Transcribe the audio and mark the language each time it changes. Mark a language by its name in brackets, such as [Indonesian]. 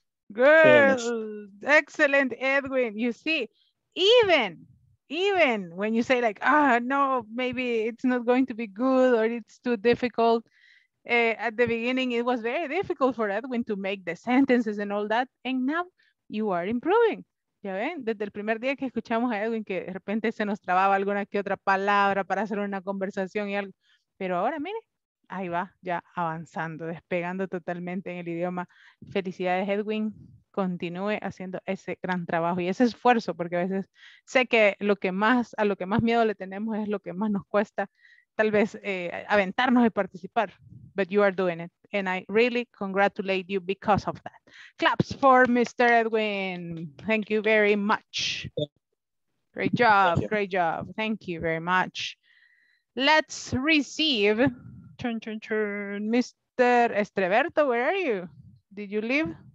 [English] Good. Finish. Excellent, Edwin. You see, even when you say like, no, maybe it's not going to be good or it's too difficult. At the beginning, it was very difficult for Edwin to make the sentences and all that. And now you are improving. [Spanish] ¿Ya ven? Desde el primer día que escuchamos a Edwin, que de repente se nos trababa alguna que otra palabra para hacer una conversación y algo. Pero ahora, mire. Ahí va, ya avanzando, despegando totalmente en el idioma. Felicidades, Edwin. Continúe haciendo ese gran trabajo y ese esfuerzo, porque a veces sé que a lo que más miedo le tenemos es lo que más nos cuesta, tal vez, aventarnos y participar. [English] But you are doing it. And I really congratulate you because of that. Claps for Mr. Edwin. Thank you very much. Great job. Great job. Thank you very much. Let's receive... Turn. Mr. Estreberto, where are you? Did you leave?